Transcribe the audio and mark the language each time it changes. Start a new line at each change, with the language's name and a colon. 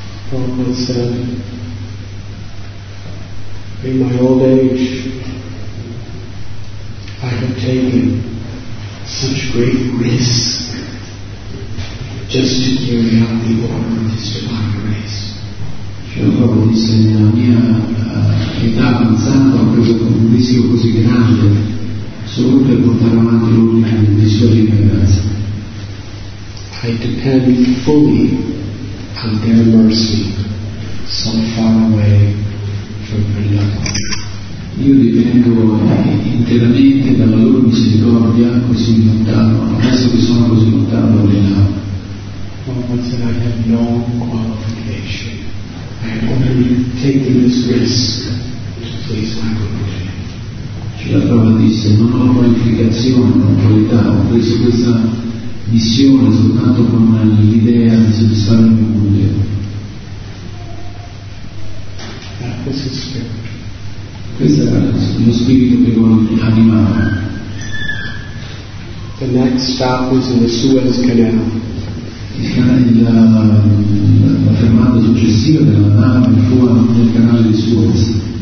English: Prabhupada said, in my old age, I have taken such great risks just to carry out the order of His divine grace.
Italian: Prabhupada disse, nella mia età avanzata ho preso un rischio così grande solo per portare avanti l'ordine di Sua divina grazia.
English: I depend fully on their mercy so far away from Vrindavan.
Italian: Io dipendo interamente dalla loro misericordia così lontano, adesso che sono così lontano da Vrindavan.
English: Prabhupada said, I have no qualification. I am only taking this risk to please my Guruji.
Italian: Srila Prabhupada disse, non ho qualificazione, non ho qualità, ho preso questa missione soltanto con l'idea di soddisfare il mio Guruji.
English: That was his spirit.
Italian: Questo era lo spirito che lo animava.
English: The next stop was in the Suez Canal.
Italian: La fermata successiva della nave fu nel canale di Suez.